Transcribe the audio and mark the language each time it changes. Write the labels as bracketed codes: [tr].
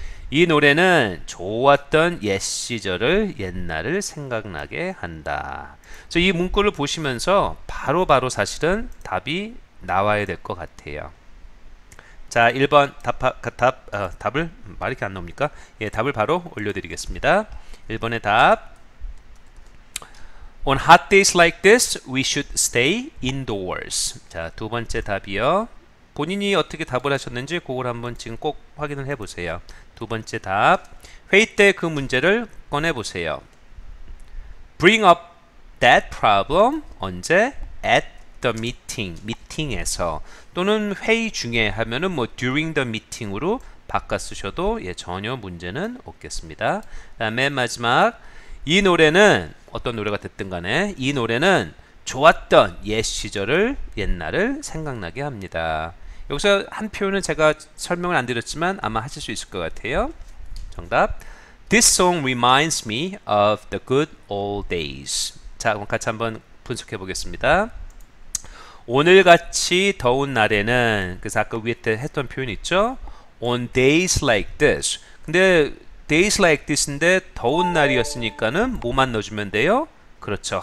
[ko] 이 노래는 좋았던 옛 시절을 옛날을 생각나게 한다. 그래서 이 문구를 보시면서 바로바로 사실은 답이 나와야 될것 같아요. 자, 1번 답을 말 이렇게 안 나옵니까? 예, 답을 바로 올려드리겠습니다. 1번의 답. [en] On hot days like this, we should stay indoors. [ko] 자, 두 번째 답이요. 본인이 어떻게 답을 하셨는지 그걸 한번 지금 꼭 확인을 해보세요. 두 번째 답. 회의 때그 문제를 꺼내보세요. [en] Bring up that problem [ko] 언제? [en] At the meeting. [ko] 미팅에서. 또는 회의 중에 하면은 뭐 [en] during the meeting [ko] 으로 바꿔 쓰셔도 예, 전혀 문제는 없겠습니다. 맨 마지막. 이 노래는 어떤 노래가 됐든 간에 이 노래는 좋았던 옛 시절을 옛날을 생각나게 합니다. 여기서 한 표현은 제가 설명을 안 드렸지만 아마 하실 수 있을 것 같아요. 정답. [en] This song reminds me of the good old days. [ko] 자, 그럼 같이 한번 분석해 보겠습니다. 오늘 같이 더운 날에는 그래서 아까 위에 했던 표현 있죠? [en] On days like this. [ko] 근데 [en] days like this [ko] 인데 더운 날이었으니까는 뭐만 넣어주면 돼요? 그렇죠.